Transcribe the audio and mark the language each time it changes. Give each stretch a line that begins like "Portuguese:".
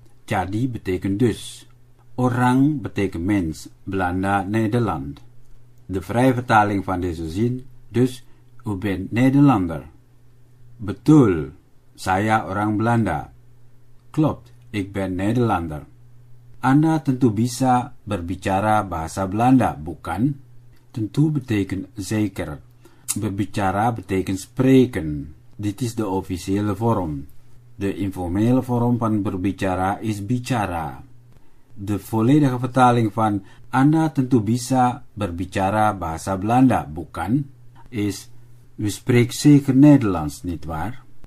Dutch: Jadi betekent dus. Orang betekent mens, Belanda Nederland. De vrije vertaling van deze zin, dus, u bent Nederlander.
Indonesian: Betul, saya orang Belanda.
Dutch: Klopt, ik ben Nederlander.
Indonesian: Anda tentu bisa berbicara bahasa Belanda, bukan?
Dutch: Tentu betekent zeker. Berbicara betekent spreken. Dit is de officiële vorm. De informele vorm van berbicara is bicara. De volledige vertaling van
Indonesian: Anda tentu bisa berbicara bahasa Belanda, bukan?
Dutch: Is, u spreekt zeker Nederlands, nietwaar?